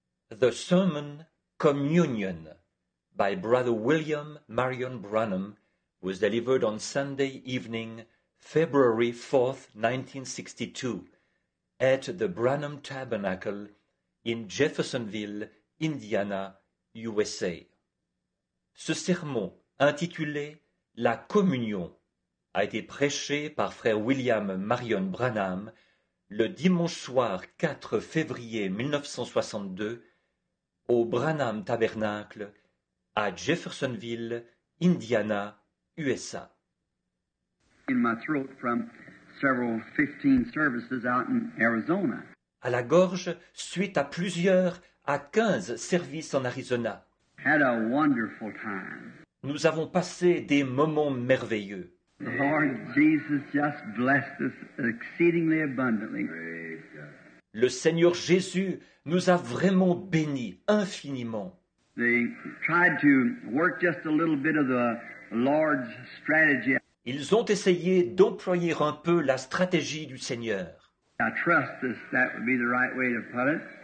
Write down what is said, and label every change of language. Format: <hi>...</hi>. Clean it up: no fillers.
<en>The Sermon Communion by Brother William Marion Branham was delivered on Sunday evening, February 4, 1962, at the Branham Tabernacle in Jeffersonville, Indiana, USA.</en> <fr>Ce sermon, intitulé « La Communion », a été prêché par Frère William Marion Branham le dimanche soir 4 février 1962 au Branham Tabernacle à Jeffersonville, Indiana, USA.</fr> <en>In my throat from several 15 services out in Arizona.</en> <fr>À la gorge, suite à plusieurs à 15 services en Arizona.</fr> <en>Had a wonderful time.</en> <fr>Nous avons passé des moments merveilleux.</fr> <en>The Lord Jesus just blessed us exceedingly abundantly.</en> <fr>Le Seigneur Jésus nous a vraiment bénis infiniment.</fr> <en>They tried to work just a little bit of the Lord's strategy.</en> <fr>Ils ont essayé d'employer un peu la stratégie du Seigneur.</fr> <en>I trust that would be the right way to put it.</en>